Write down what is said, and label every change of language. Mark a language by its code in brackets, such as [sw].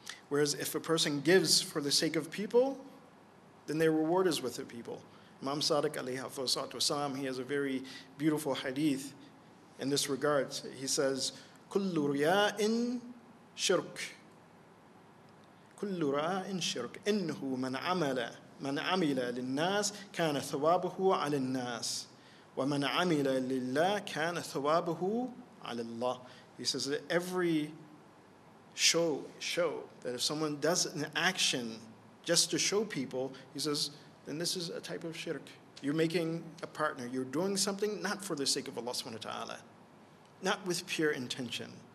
[en] Whereas if a person gives for the sake of people, then their reward is with the people. Imam Sadiq alayhi salatu wasalam, he has a very beautiful hadith in this regard. He says, [ar] kullu riya'in shirk. كل راء شرك إنه من عمل من عمل للناس كان ثوابه على الناس ومن عمل لله كان ثوابه على الله. [en] He says that every show that if someone does an action just to show people, he says, then this is a type of shirk. You're making a partner. You're doing something not for the sake of Allah subhanahu wa ta'ala, not with pure intention.